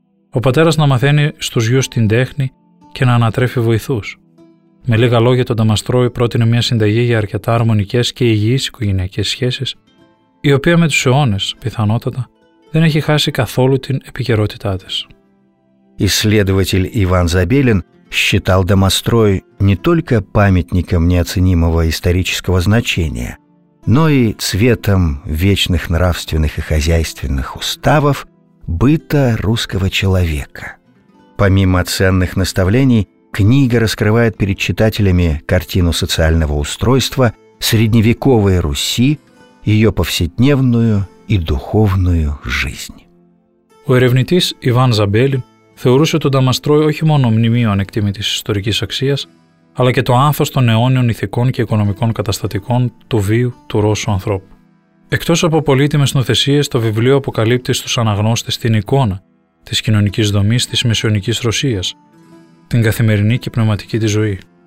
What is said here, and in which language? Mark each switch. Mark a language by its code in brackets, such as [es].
[el] Ο πατέρας να μαθαίνει στους γιους την τέχνη και να ανατρέφει βοηθούς. Με λίγα λόγια, τον Домострой πρότεινε μια συνταγή για αρκετά αρμονικές και υγιείς οικογενειακές σχέσεις, η οποία με τους αιώνες, πιθανότατα, δεν έχει χάσει καθόλου την επικαιρότητά της. [ru] Исследователь Иван Забелин считал Домострой не только памятником неоценимого исторического значения, но и цветом вечных нравственных и хозяйственных уставов быта русского человека. Помимо ценных наставлений, книга раскрывает перед читателями картину социального устройства средневековой Руси, ее повседневную и духовную жизнь. [el] Ο ερευνητής Иван Забелин θεωρούσε τον Домострой όχι μόνο μνημείο ανεκτήμητης ιστορικής αξίας, αλλά και το άνθος των αιώνιων ηθικών και οικονομικών καταστατικών του βίου του Ρώσου ανθρώπου. Εκτός από πολύτιμες νοθεσίες, το βιβλίο αποκαλύπτει στους αναγνώστες την εικόνα της κοινωνικής δομής της μεσαιωνικής Ρωσίας, την καθημερινή και πνευματική της ζωή.